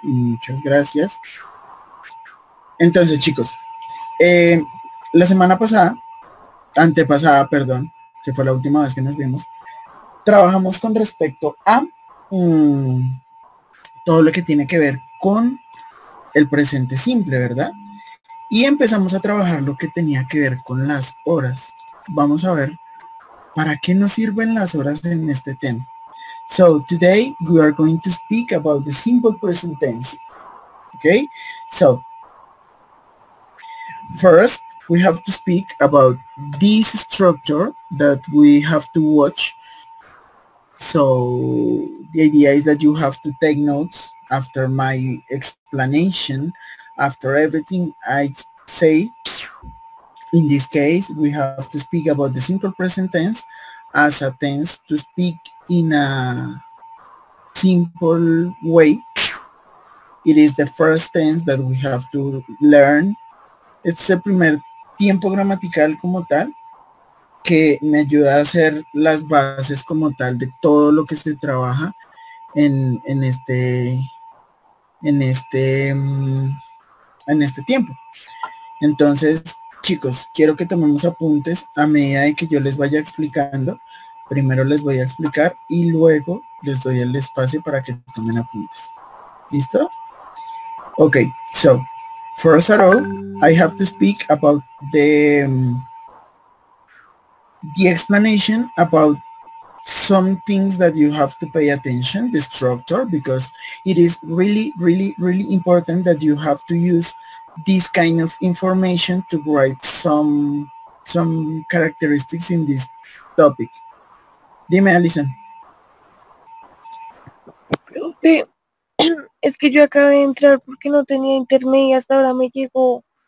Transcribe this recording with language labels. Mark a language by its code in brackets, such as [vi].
[es] Muchas gracias. Entonces, chicos, la semana pasada, antepasada, perdón, que fue la última vez que nos vimos, trabajamos con respecto a todo lo que tiene que ver con el presente simple, ¿verdad? Y empezamos a trabajar lo que tenía que ver con las horas. Vamos a ver para qué nos sirven las horas en este tema. [en] So, today we are going to speak about the simple present tense. Okay? So, first, we have to speak about this structure that we have to watch. So, the idea is that you have to take notes after my explanation. After everything I say, in this case, we have to speak about the simple present tense as a tense to speak in a simple way. It is the first tense that we have to learn. [es] Es el primer tiempo gramatical como tal que me ayuda a hacer las bases como tal de todo lo que se trabaja en este tiempo. Entonces, chicos, quiero que tomemos apuntes a medida de que yo les vaya explicando. Primero les voy a explicar y luego les doy el espacio para que tomen apuntes. ¿Listo? [en] Ok, so, first of all, I have to speak about the explanation about some things that you have to pay attention, the structure, because it is really, really, really important that you have to use this kind of information to write some characteristics in this topic. [es] Dime, Alison. Profe, es que yo acabo de entrar porque no tenía internet y hasta ahora me llegó.